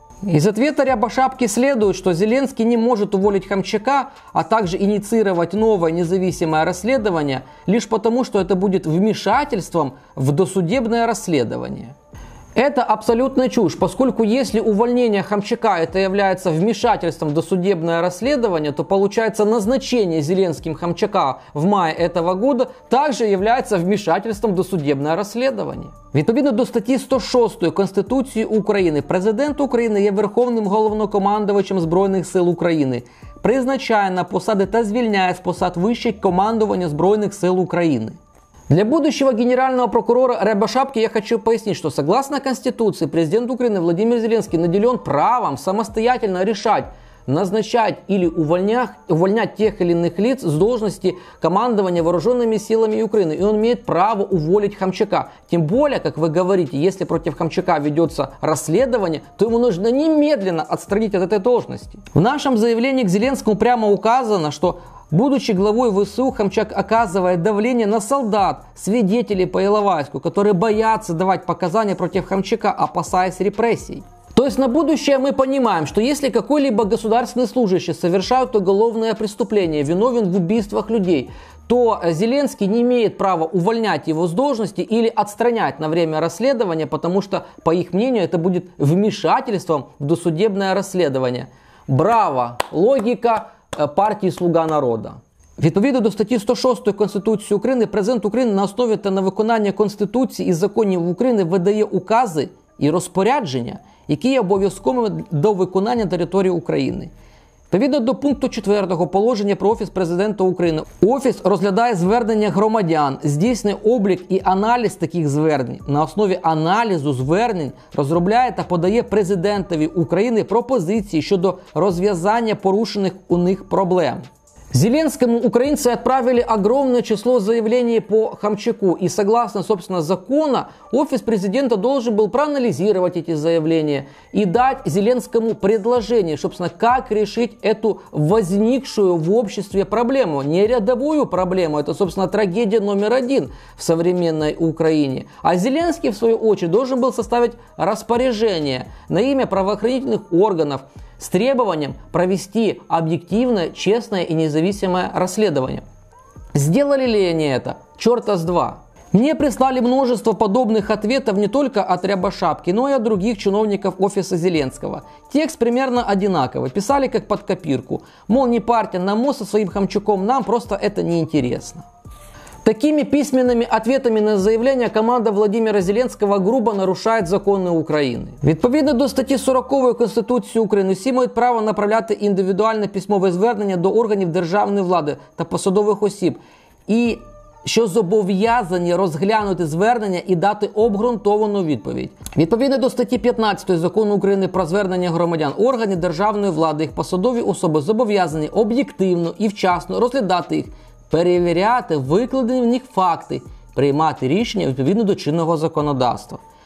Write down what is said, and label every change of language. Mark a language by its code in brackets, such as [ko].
[ru] Из ответа Рябошапки следует, что Зеленский не может уволить Хомчака, а также инициировать новое независимое расследование, лишь потому, что это будет вмешательством в досудебное расследование. Это абсолютно чушь, поскольку если увольнение Хомчака это является вмешательством в досудебное расследование, то получается назначение Зеленским Хомчака в мае этого года также является вмешательством в досудебное расследование. [uk] Відповідно до статті 106 Конституції України, президент України є Верховним Головнокомандувачем Збройних Сил України, призначає на посади та звільняє з посад вищих командування Збройних Сил України. [ru] Для будущего генерального прокурора Рябошапки я хочу пояснить, что согласно Конституции президент Украины Владимир Зеленский наделен правом самостоятельно решать, назначать или увольнять тех или иных лиц с должности командования вооруженными силами Украины. И он имеет право уволить Хомчака. Тем более, как вы говорите, если против Хомчака ведется расследование, то ему нужно немедленно отстранить от этой должности. В нашем заявлении к Зеленскому прямо указано, что будучи главой ВСУ, Хомчак оказывает давление на солдат, свидетелей по Иловайску, которые боятся давать показания против Хомчака, опасаясь репрессий. То есть на будущее мы понимаем, что если какой-либо государственный служащий совершает уголовное преступление, виновен в убийствах людей, то Зеленский не имеет права увольнять его с должности или отстранять на время расследования, потому что, по их мнению, это будет вмешательством в досудебное расследование. Браво! [uk] Логика партії «Слуга народу». Відповідно до статті 106 Конституції України, президент України на основі та на виконання Конституції і законів України видає укази і розпорядження, які є обов'язковими до виконання території України. Відповідно до пункту 4 положення про Офіс президента України, Офіс розглядає звернення громадян, здійснює облік і аналіз таких звернень. На основі аналізу звернень розробляє та подає президентові України пропозиції щодо розв'язання порушених у них проблем. [ru] Зеленскому украинцы отправили огромное число заявлений по Хомчаку. И согласно, собственно, закону, офис президента должен был проанализировать эти заявления и дать Зеленскому предложение, собственно, как решить эту возникшую в обществе проблему. Не рядовую проблему, это, собственно, трагедия номер один в современной Украине. А Зеленский, в свою очередь, должен был составить распоряжение на имя правоохранительных органов, с требованием провести объективное, честное и независимое расследование. Сделали ли они это? Черта с два. Мне прислали множество подобных ответов не только от Рябошапки, но и от других чиновников офиса Зеленского. Текст примерно одинаковый. Писали как под копирку. Мол, не партия на мост со своим Хомчуком, нам просто это неинтересно. Такими письменными ответами на заявление команда Владимира Зеленского грубо нарушает законы Украины. [uk] Відповідно до статті 40 Конституції України, всі мають право направляти індивідуальне письмове звернення до органів державної влади та посадових осіб, і що зобов'язані розглянути звернення і дати обґрунтовану відповідь. Відповідно до статті 15 Закону України про звернення громадян, органи державної влади, їх посадові особи зобов'язані об'єктивно і вчасно розглядати їх, перевіряти викладені в них факти, приймати рішення відповідно до чинного законодавства.